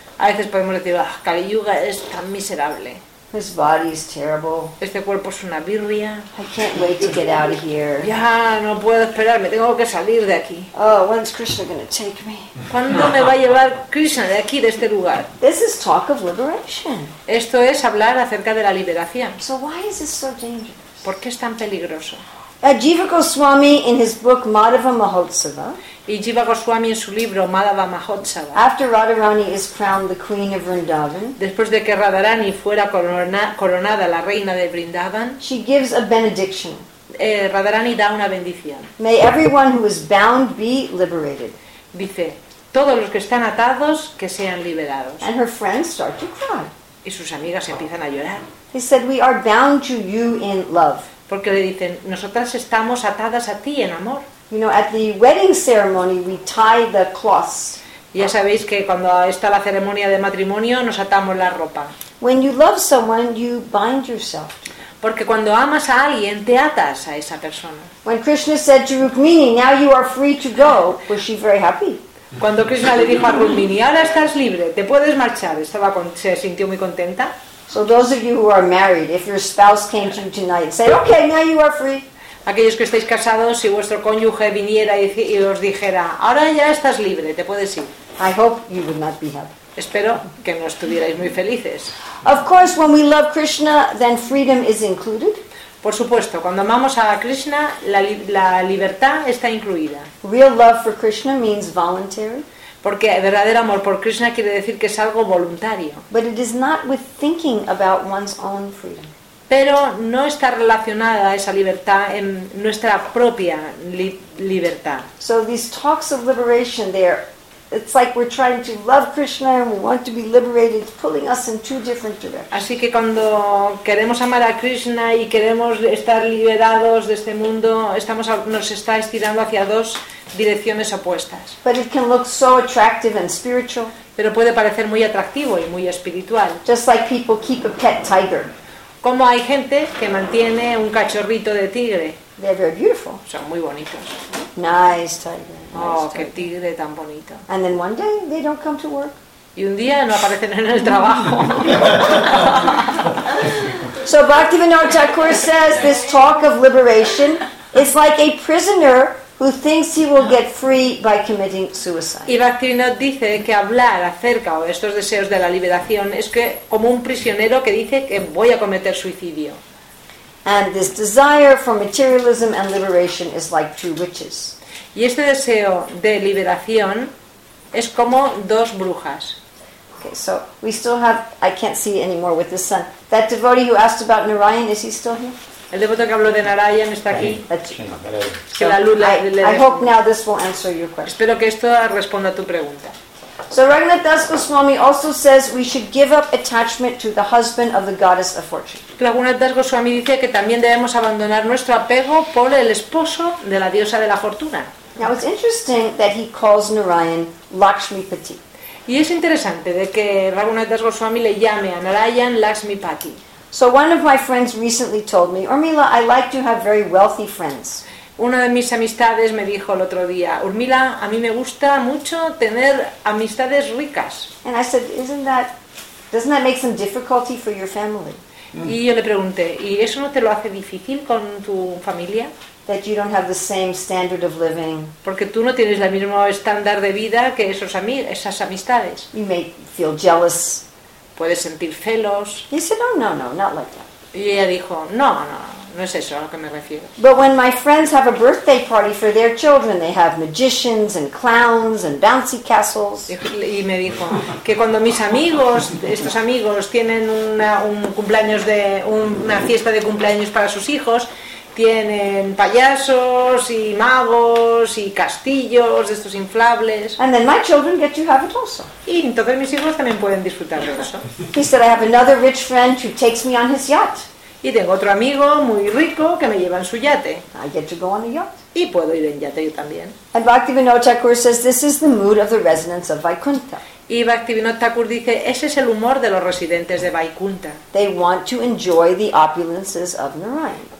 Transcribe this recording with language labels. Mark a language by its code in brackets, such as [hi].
[es] A veces podemos decir, ah, Kali Yuga es tan miserable. [en] His body is terrible. [es] Este cuerpo es una birria. [en] I can't wait to get out of here. [es] Ya, no puedo esperar, me tengo que salir de aquí. [en] Oh, when's Krishna going to take me? [es] ¿Cuándo me va a llevar Krishna de aquí, de este lugar? [en] This is talk of liberation. [es] Esto es hablar acerca de la liberación. [en] So why is this so dangerous? [es] ¿Por qué es tan peligroso? [en] Jiva Goswami in his book Madhava Mahotsava. [es] Y Jiva Goswami en su libro Madhava Mahotsava. [en] After Radharani is crowned the queen of Vrindavan. [es] Después de que Radharani fuera coronada la reina de Vrindavan. [en] She gives a benediction. [es] Radharani da una bendición. [en] May everyone who is bound be liberated. [es] Dice, todos los que están atados que sean liberados. [en] And her friends start to cry. [es] Y sus amigas empiezan a llorar. [en] He said, we are bound to you in love. [es] Porque le dicen, nosotras estamos atadas a ti en amor. [en] You know, at the wedding ceremony we tie the cloths. [es] Ya sabéis que cuando está la ceremonia de matrimonio nos atamos la ropa. [en] When you love someone, you bind yourself. [es] Porque cuando amas a alguien te atas a esa persona. [en] When Krishna said to Rukmini, now you are free to go, was she very happy? [es] Cuando Krishna le dijo a Rukmini, ahora estás libre, te puedes marchar, se sintió muy contenta. [en] So those of you who are married, if your spouse came to you tonight and said, okay, now you are free. [es] Aquellos que estáis casados, si vuestro cónyuge viniera y os dijera, ahora ya estás libre, te puedes ir. [en] I hope you would not be happy. [es] Espero que no estuvierais muy felices. [en] Of course, when we love Krishna, then freedom is included. [es] Por supuesto, cuando amamos a Krishna, la libertad está incluida. [en] Real love for Krishna means voluntary. [es] Porque el verdadero amor por Krishna quiere decir que es algo voluntario. [en] But it is not with thinking about one's own freedom. [es] Pero no está relacionada esa libertad en nuestra propia libertad. [en] So these talks of liberation, it's like we're trying to love Krishna and we want to be liberated, pulling us in two different directions. [es] Así que cuando queremos amar a Krishna y queremos estar liberados de este mundo, nos está estirando hacia dos direcciones opuestas. [en] But it can look so attractive and spiritual. [es] Pero puede parecer muy atractivo y muy espiritual. [en] Just like people keep a pet tiger. [es] Como hay gente que mantiene un cachorrito de tigre. [en] They're very beautiful. [es] Son muy bonitos. [en] Nice tiger. [es] Oh, qué tigre tan bonito. [en] And then one day they don't come to work. [es] y un día no aparecen en el trabajo. [en] So Bhaktivinoda Thakur says this talk of liberation is like a prisoner who thinks he will get free by committing suicide. [es] Y Bhaktivinoda dice que hablar acerca de estos deseos de la liberación es que como un prisionero que dice que voy a cometer suicidio. [en] And this desire for materialism and liberation is like two witches. [es] Y este deseo de liberación es como dos brujas. [en] Okay, so we still have, I can't see anymore with the sun. That devotee who asked about Narayan, is he still here? [es] El devoto que habló de Narayan está aquí. Sí, la luz, [en] I hope now this will answer your question. [es] Espero que esto responda a tu pregunta. [en] So Raghunath Das Goswami also says we should give up attachment to the husband of the goddess of fortune. [es] Raghunath Das Goswami dice que también debemos abandonar nuestro apego por el esposo de la diosa de la fortuna. [en] Now it's interesting that he calls Narayan Lakshmipati. [es] Y es interesante de que Raghunath Das Goswami le llame a Narayan Lakshmipati. [en] So one of my friends recently told me, Urmila, I like to have very wealthy friends. [es] Una de mis amistades me dijo el otro día, Urmila, a mí me gusta mucho tener amistades ricas. [en] And I said, doesn't that make some difficulty for your family? [es] Y yo le pregunté, ¿y eso no te lo hace difícil con tu familia? [en] That you don't have the same standard of living. [es] Porque tú no tienes el mismo estándar de vida que esas amistades. [en] You may feel jealous. [es] Puedes sentir celos. [en] He said, oh, no, not like that. [es] Y ella dijo, no es eso a lo que me refiero. [en] But when my friends have a birthday party for their children, they have magicians and clowns and bouncy castles. [es] Y me dijo que cuando mis amigos, estos amigos, tienen una fiesta de cumpleaños para sus hijos, tienen payasos y magos y castillos estos inflables. [en] And then my children get to have it also. [es] Y entonces mis hijos también pueden disfrutar de eso. [en] He said, I have another rich friend who takes me on his yacht. [es] Y tengo otro amigo muy rico que me lleva en su yate. [en] I get to go on the yacht. [es] Y puedo ir en yate yo también. [en] And Bhaktivinoda Thakur says this is the mood of the residents of Vaikuntha. [es] Y Bhaktivinoda Thakur dice ese es el humor de los residentes de Vaikuntha. [en] They want to enjoy the opulences of Narayan.